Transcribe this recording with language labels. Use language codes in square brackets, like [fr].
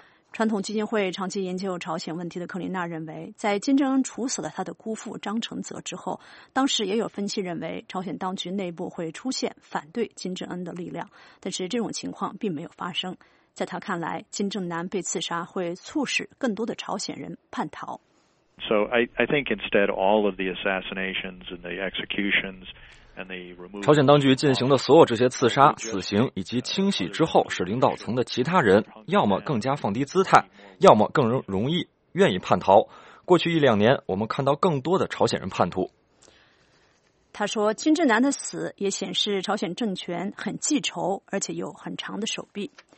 [zh] 传统基金会长期研究朝鲜问题的克林娜认为，在金正恩处死了他的姑父张承泽之后，当时也有分析认为朝鲜当局内部会出现反对金正恩的力量，但是这种情况并没有发生。在他看来，金正男被刺杀会促使更多的朝鲜人叛逃。 [en] So I think instead all of the assassinations and the executions and the removal. [zh] 朝鲜当局进行的所有这些刺杀、死刑以及清洗之后，使领导层的其他人要么更加放低姿态，要么更容易愿意叛逃。过去一两年，我们看到更多的朝鲜人叛徒。他说，金正男的死也显示朝鲜政权很记仇，而且有很长的手臂。